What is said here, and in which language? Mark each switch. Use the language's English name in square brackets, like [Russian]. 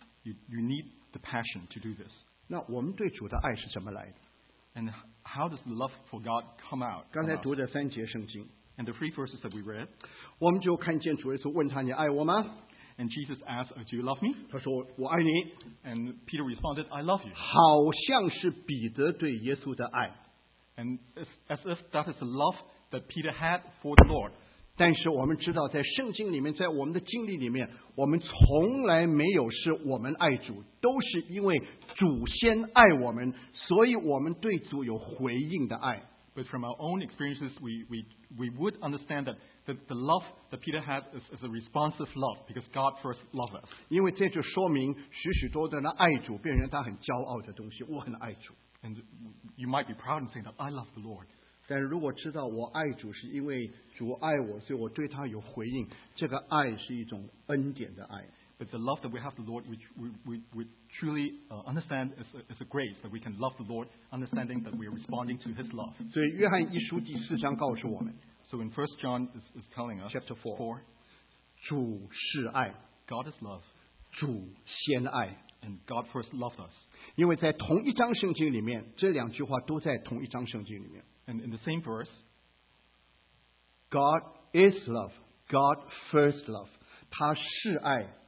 [English] You need the passion to do this. [Chinese] 那我们对主的爱是怎么来的 [English] ？And how does love for God come out? [Chinese] 刚才读的三节圣经。 [English] And the three verses that we read, [Chinese] 我们就看见主耶稣问他你爱我吗 [English] ？And Jesus asked, "Do you love me?" [Chinese] 他说我爱你。 [English] And Peter responded, "I love you." [Chinese] 好像是彼得对耶稣的爱。 [English] And as if that is the love that Peter had for the Lord. [Chinese] 但是我们知道，在圣经里面，在我们的经历里面，我们从来没有是我们爱主，都是因为主先爱我们，所以我们对主有回应的爱。 [English] But from our own experiences, we would understand that the love that Peter had is a responsive love because God first loved us. [Chinese] 因为这就说明许许多多的爱主变成他很骄傲的东西。我很爱主。 [English] And you might be proud and saying that I love the Lord. [Chinese] 但如果知道我爱主是因为主爱我，所以我对他有回应。这个爱是一种恩典的爱。 [English] But the love that we have the Lord, which we truly understand, is a grace that we can love the Lord, understanding that we are responding to His love. [Chinese] 所以约翰一书第四章告诉我们。 [English] So in 1 John is telling us, chapter 4, [Chinese] 主是爱 [English] God is love, [Chinese] 主先爱 [English] and God first loved us. [Chinese] 因为在同一章圣经里面，这两句话都在同一章圣经里面。 [English] And in the same verse, God is love, God first love, [Chinese] 他是爱。